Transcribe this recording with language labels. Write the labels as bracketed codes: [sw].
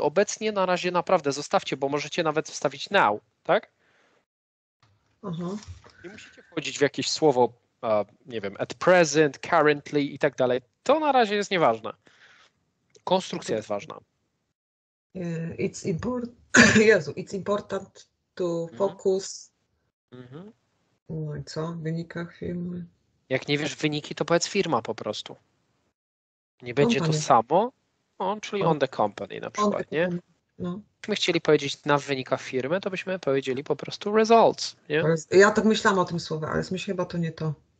[pl] Obecnie na razie naprawdę zostawcie, bo możecie nawet wstawić now, tak? Uh-huh. Nie musicie wchodzić w jakieś słowo, nie wiem, [en] at present, currently [pl] i tak dalej. To na razie jest nieważne. Konstrukcja jest ważna. [en] It's important. Jezu, it's important to focus. [pl] No i co? W wynikach firmy. Jak nie wiesz wyniki, to powiedz firma po prostu. Nie będzie company. To samo. No, czyli [en] on the company [pl] na przykład, nie? No. Byśmy chcieli powiedzieć na wynikach firmy, to byśmy powiedzieli po prostu results, nie? Ja tak myślałam o tym słowie, ale myślę, chyba to nie to.